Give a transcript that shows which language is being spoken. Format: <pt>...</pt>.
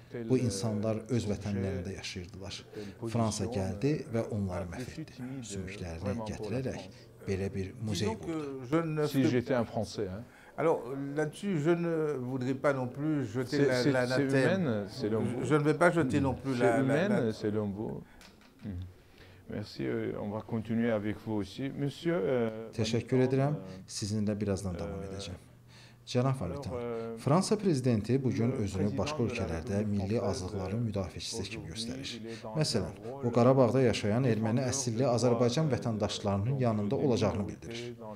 <az>Bu insanlar öz vətənlərində yaşayırdılar. Fransa gəldi və onları məhv etdi. Sümüklərini gətirərək belə bir muzey qurdu.</az> <fr>Si j'étais un français, hein. Alors là-dessus, je ne voudrais pas non plus jeter l'anathème. C'est humain, c'est je ne vais pas jeter non plus la humaine, c'est l'ombo. Merci, on va continuer avec vous aussi. Monsieur,</fr> <az>təşəkkür edirəm. Sizinlə birazdan davam edəcəm. Cənab Valitan, Fransa prezidenti bugün özünü başqa ölkələrdə milli azlıqların müdafiəçisi kimi göstərir. Məsələn, o Qarabağda yaşayan erməni əsilli Azərbaycan vətəndaşlarının yanında olacağını bildirir.</az>